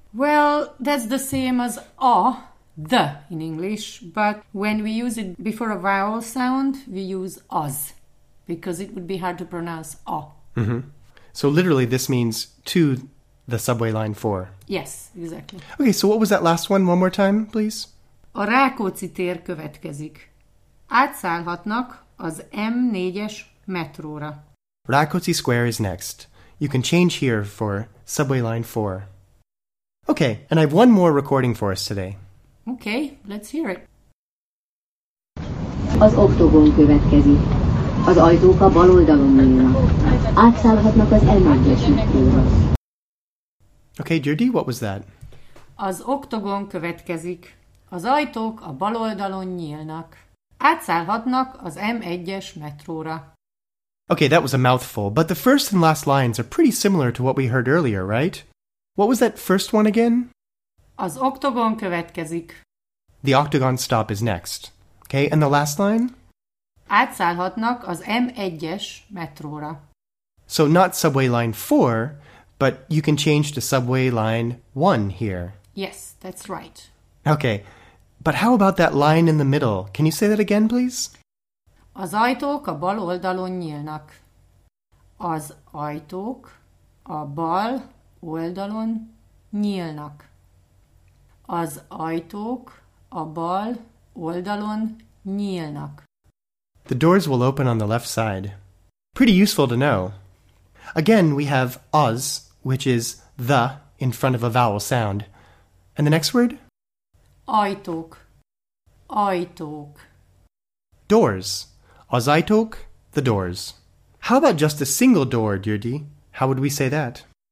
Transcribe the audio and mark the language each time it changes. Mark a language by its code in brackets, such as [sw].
[en] Well, that's the same as a, the, in English, but when we use it before a vowel sound, we use az, because it would be hard to pronounce a. Mm-hmm. So literally, this means to the subway line 4. Yes, exactly. Okay, so what was that last one more time, please? [hu] A Rákóczi tér következik. Átszállhatnak az M4-es metróra. [en] Rákóczi Square is next. You can change here for subway line 4. Okay, and I have one more recording for us today. Okay, let's hear it. [hu] Az oktogon következik. Az ajtók a bal oldalon nyílnak. Átszállhatnak az M4-es metróra. [en] Okay, Judy, what was that? [hu] Az oktogon következik. Az ajtók a bal oldalon nyílnak. Átszállhatnak az M1-es metróra. [en] Okay, that was a mouthful, but the first and last lines are pretty similar to what we heard earlier, right? What was that first one again? [hu] Az oktogon következik. [en] The octagon stop is next. Okay, and the last line? [hu] Átszállhatnak az M1-es metróra. [en] So not subway line 4, but you can change to subway line 1 here. Yes, that's right. Okay, but how about that line in the middle? Can you say that again, please? [hu] Az ajtók a bal oldalon nyílnak. Az ajtók a bal oldalon nyílnak. Az ajtók a bal oldalon nyílnak. [en] The doors will open on the left side. Pretty useful to know. Again, we have az, which is the in front of a vowel sound. And the next word? [hu] Ajtók. Ajtók. [en] Doors. [hu] Az ajtók, [en] the doors. How about just a single door, Györgyi? How would we say that?